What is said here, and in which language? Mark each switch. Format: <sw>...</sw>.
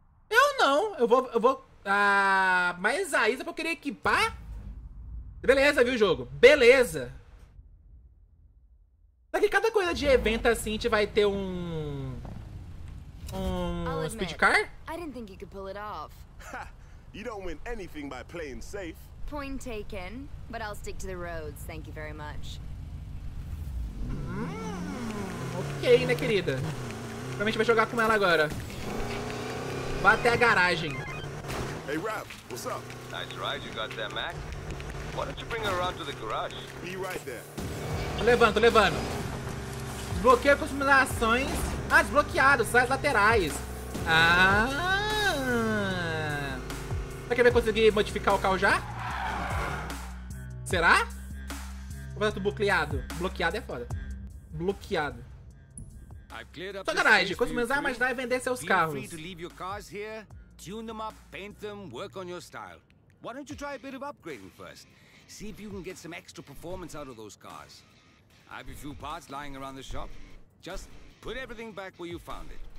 <pt>Eu não, eu vou. Mas a Isa, pra eu querer equipar? Beleza, viu, jogo? Beleza! Daqui cada coisa de evento assim, a gente vai ter um speed car?</pt> <en>I didn't think you could pull it off. You don't win anything by playing safe. Point taken, but I'll stick to the roads. Thank you very much.</en> <pt>OK, né, querida? Provavelmente vai jogar com ela agora. Vai até a garagem.</pt> <en>Hey, Rap, what's up? Nice ride you got there, Mac. Why don't you bring her around to the garage? Be right there.</en> <pt>Levando. Desbloqueio com customizações. Ah, desbloqueado, sai as laterais. Ah! Quer ver conseguir modificar o carro já? Será? Vou fazer tudo bloqueado. Bloqueado é foda. Bloqueado. Sua garagem, customizar, mas vai vender seus carros.</pt> <en>Tune them up, paint them, work on your style. Why don't you try a bit of upgrading first? See if you can get some extra performance out of those cars. I have a few parts lying around the shop. Just put everything back where you found it.</en>